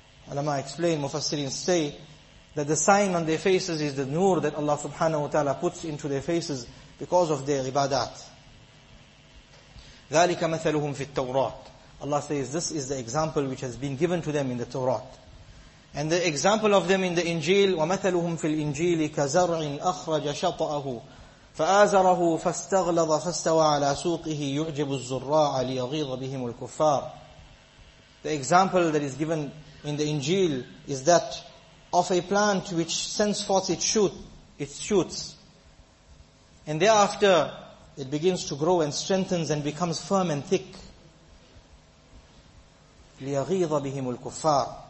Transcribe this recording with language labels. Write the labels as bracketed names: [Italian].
[English] Ulama explain, mufassirin say, that the sign on their faces is the nur that Allah subhanahu wa ta'ala puts into their faces because of their ibadat. [Arabic] ذَلِكَ مَثَلُهُمْ فِي التَّوْرَاةِ. [English] Allah says, this is the example which has been given to them in the Torah. And the example of them in the Injil, [Arabic] وَمَثَلُهُمْ فِي الْإِنْجِيلِ كَزَرْعٍ أَخْرَجَ شَطَأَهُ فَآزَرَهُ فَاسْتَغْلَظَ فَاسْتَوَى عَلَى سُوقِهِ يُعْجِبُ الزُّرَّاعَ لِيَغِيظَ بِهِمُ الْكُفَّارِ. [English] The example that is given in the Injil is that of a plant which sends forth its shoots. And thereafter, it begins to grow and strengthens and becomes firm and thick. [Arabic] لِيَغِيظَ بِهِمُ الْكُفَّارِ.